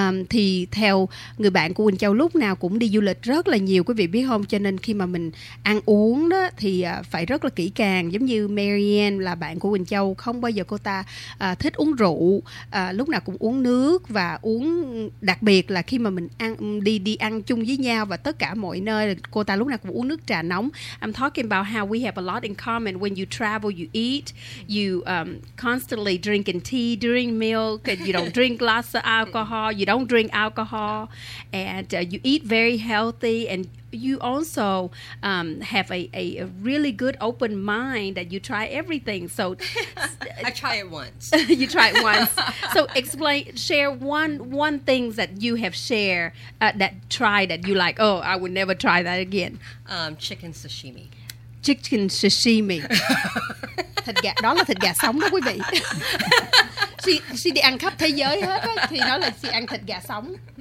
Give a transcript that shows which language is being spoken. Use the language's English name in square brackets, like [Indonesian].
[Vietnamese] Thì theo người bạn của Quỳnh Châu, lúc nào cũng đi du lịch rất là nhiều, quý vị biết không, cho nên khi mà mình ăn uống đó thì phải rất là kỹ càng. Giống như Marianne là bạn của Quỳnh Châu, không bao giờ cô ta thích uống rượu, lúc nào cũng uống nước, và uống đặc biệt là khi mà mình ăn đi ăn chung với nhau và tất cả mọi nơi, cô ta lúc nào cũng uống nước trà nóng. [English] I'm talking about how we have a lot in common. When you travel, you eat, you constantly drinking tea during milk, and you don't drink lots of alcohol, you don't drink alcohol, and you eat very healthy, and you also have a really good open mind that you try everything. So I try it once. You try it once. So explain, share one thing that you have shared that tried that you like, oh, I would never try that again. Chicken sashimi. Chicken sashimi. [Vietnamese] Thịt gà, đó là thịt gà sống đó quý vị. She đi ăn khắp thế giới hết á, thì nói là she ăn thịt gà sống.